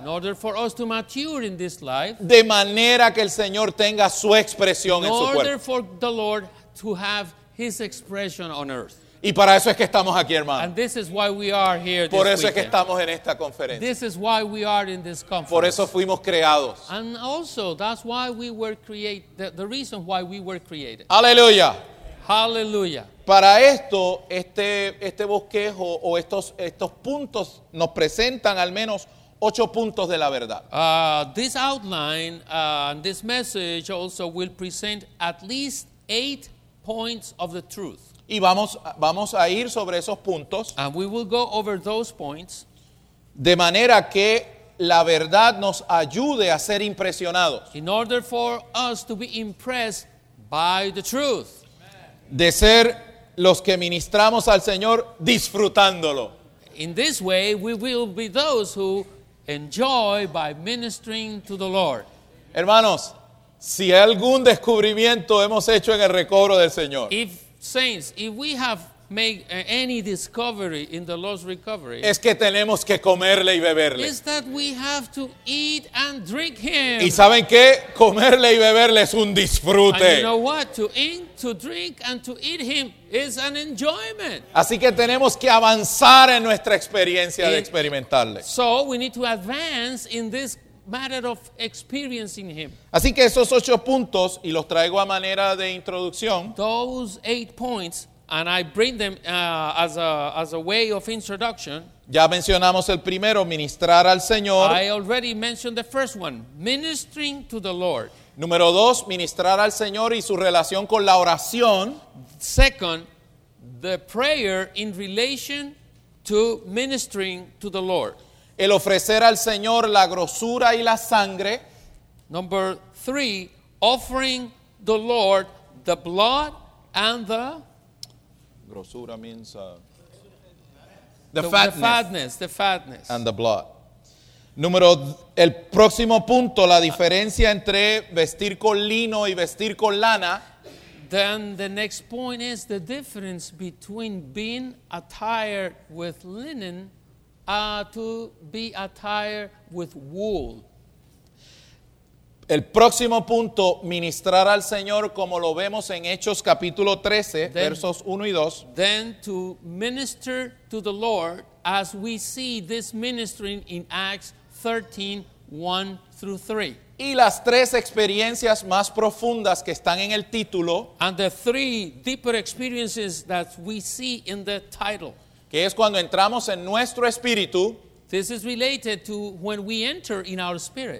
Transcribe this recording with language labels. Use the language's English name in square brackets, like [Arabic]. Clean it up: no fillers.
[English] in order for us to mature in this life, [Spanish] de manera que el Señor tenga su expresión en su cuerpo, [English] in order for the Lord to have his expression on earth. [Spanish] Y para eso es que estamos aquí, hermano. [English] And this is why we are here this weekend. [Spanish] Por eso es que estamos en esta conferencia. [English] This is why we are in this conference. [Spanish] Por eso fuimos creados. [English] And also, that's why we were created, the reason why we were created. [Spanish] Aleluya. Aleluya. Para esto, este bosquejo o estos puntos nos presentan al menos 8 puntos de la verdad. [English] This outline and this message also will present at least 8 points of the truth. [Spanish] Y vamos a ir sobre esos puntos. [English] And we will go over those points. [Spanish] De manera que la verdad nos ayude a ser impresionados. [English] In order for us to be impressed by the truth. [Spanish] De ser los que ministramos al Señor disfrutándolo. [English] In this way, we will be those who enjoy by ministering to the Lord. [Spanish] Hermanos, si hay algún descubrimiento hemos hecho en el recobro del Señor, [English] saints, if we have made any discovery in the Lord's recovery, [Spanish] es que tenemos que comerle y beberle. [English] Is that we have to eat and drink him. [Spanish] ¿Y saben qué? Comerle y beberle es un disfrute. [English] And you know what? To eat, to drink, and to eat him is an enjoyment. [Spanish] Así que tenemos que avanzar en nuestra experiencia de experimentarle. [English] So we need to advance in this matter of experiencing him. [Spanish] Así que esos 8 puntos, y los traigo a manera de introducción, [English] those 8 points, and I bring them as a way of introduction. [Spanish] Ya mencionamos el primero, ministrar al Señor. [English] I already mentioned the first one, ministering to the Lord. [Spanish] Número 2, ministrar al Señor y su relación con la oración. [English] Second, the prayer in relation to ministering to the Lord. [Spanish] El ofrecer al Señor la grosura y la sangre. [English] Number 3, offering the Lord the blood and the grosura means the fatness and the blood. [Spanish] Número, el próximo punto, la diferencia entre vestir con lino y vestir con lana. [English] Then the next point is the difference between being attired with linen to be attired with wool. [Spanish] El próximo punto, ministrar al Señor como lo vemos en Hechos capítulo 13, versos 1 y 2. [English] Then to minister to the Lord as we see this ministering in Acts 13, 1 through 3. [Spanish] Y las tres experiencias más profundas que están en el título. [English] And the three deeper experiences that we see in the title. [Spanish] Que es cuando entramos en nuestro espíritu. [English] This is related to when we enter in our spirit.